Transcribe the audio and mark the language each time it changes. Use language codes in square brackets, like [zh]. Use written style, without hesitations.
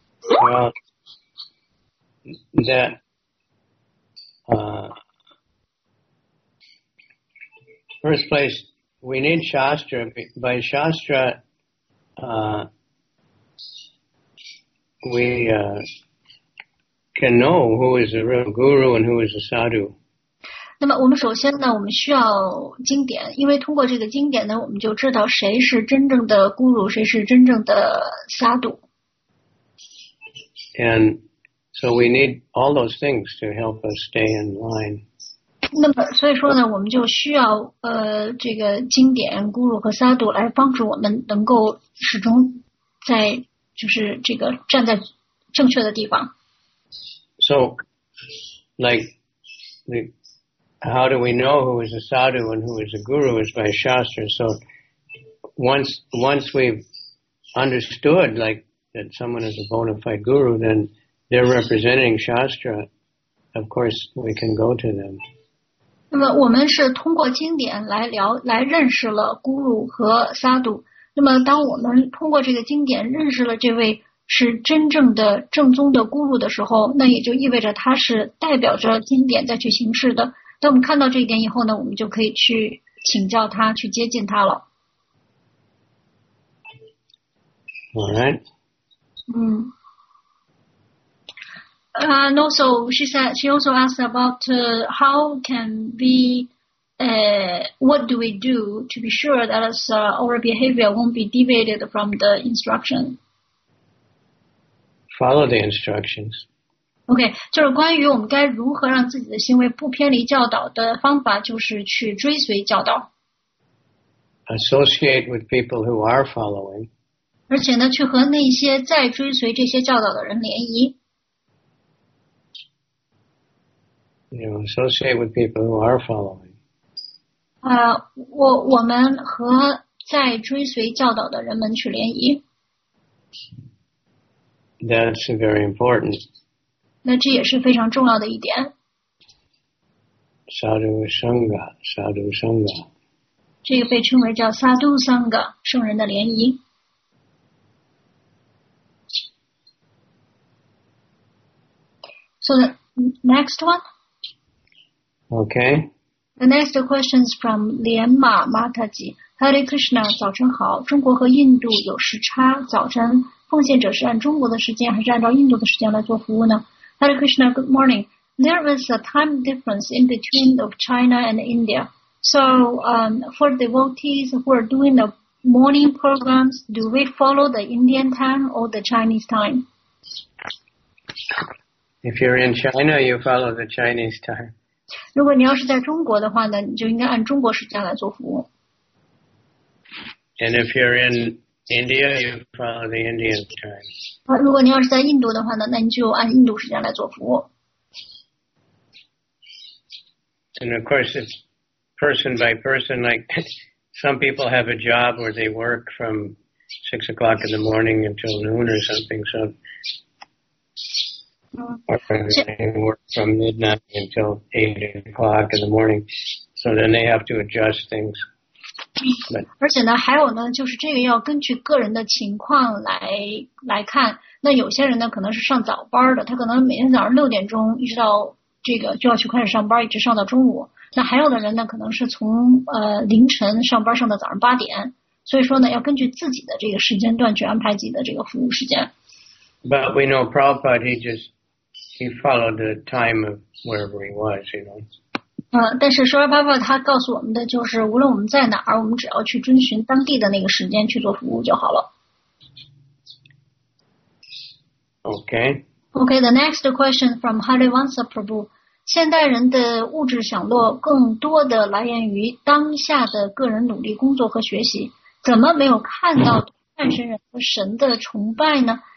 [en] Well, that first place, we need Shastra. By Shastra, we can know who is the real guru and who is the sadhu. [zh] 那么我们首先呢，我们需要经典，因为通过这个经典呢，我们就知道谁是真正的 guru， 谁是真正的 sadhu。 [en] And so we need all those things to help us stay in line. [zh] 那么所以说呢，我们就需要这个经典、咕噜和萨度来帮助我们能够始终在就是这个站在正确的地方。 [en] So, like, how do we know who is a sadhu and who is a guru is by shastra. So once we've understood, like,that someone is a bona fide guru, then they're representing shastra. Of course, we can go to them. [zh] 那么我们是通过经典来聊，来认识了 guru 和 sadhu。那么当我们通过这个经典认识了这位是真正的正宗的 guru 的时候，那也就意味着他是代表着经典再去行事的。当我们看到这一点以后呢，我们就可以去请教他，去接近他了。 [en] All right. And also, she also asked about how can we, what do we do to be sure that our behavior won't be deviated from the instruction? Follow the instructions. [zh] Okay, 就是关于我们该如何让自己的行为不偏离教导的方法，就是去追随教导。 [en] Associate with people who are following. [zh] 而且呢，去和那些在追随这些教导的人联谊。 [en] You know, associate with people who are following. [zh] 我们和在追随教导的人们去联谊。 [en] That's very important. [zh] 那这也是非常重要的一点。萨杜桑嘎，萨杜桑嘎。这个被称为叫萨杜桑嘎，圣人的联谊。 [en] So the next one. Okay. The next question is from Lianma Mataji. Hare Krishna, [zh] 早晨好。中国和印度有时差，早晨奉献者是按中国的时间还是按照印度的时间来做服务呢？ [en] Hare Krishna, good morning. There is a time difference in between of China and India. So, for devotees who are doing the morning programs, do we follow the Indian time or the Chinese time? If you're in China, you follow the Chinese time. [zh] 如果你要是在中国的话呢，你就应该按中国时间来做服务。 [en] And if you're in India, you follow the Indian time. [zh] 如果你要是在印度的话呢，那你就按印度时间来做服务。 [en] And of course, it's person by person. Like some people have a job where they work from 6 o'clock in the morning until noon or something. So. And work from midnight until 8 o'clock in the morning, so then they have to adjust things. [zh] But, 而且呢，还有呢，就是这个要根据个人的情况来看。那有些人呢，可能是上早班的，他可能每天早上6点钟一直到这个就要去开始上班，一直上到中午。那还有的人呢，可能是从凌晨上班上到早上8点。所以说呢，要根据自己的这个时间段去安排自己的这个服务时间。 [en] But we know Prabhupada, he followed the time of wherever he was, you know. [zh] 但是说巴巴他告诉我们的就是无论我们在哪儿，我们只要去遵循当地的那个时间去做服务就好了。 [en] Okay. Okay, the next question from Harivansa Prabhu. [zh] 现代人的物质享乐更多的来源于当下的个人努力工作和学习，怎么没有看到半神人和神的崇拜呢？